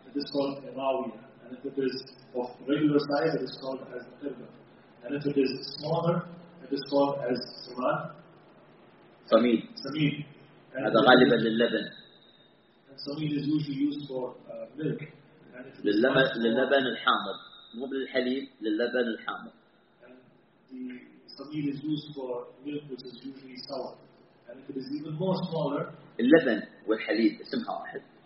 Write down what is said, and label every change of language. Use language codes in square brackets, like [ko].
[en] It is called a راوية. And if it is of regular size, it is called as a قربة. And if it is smaller, it is called as سمان. [ar] سميد. سميد. هذا غالبا للبن. [en] And سميد is usually used for milk. [ar] للبن الحامض، مو للحليب، للبن الحامض. [en] And the سميد is used for milk which is usually sour. And if it is even more smaller. [ar] اللبن والحليب اسمها واحد.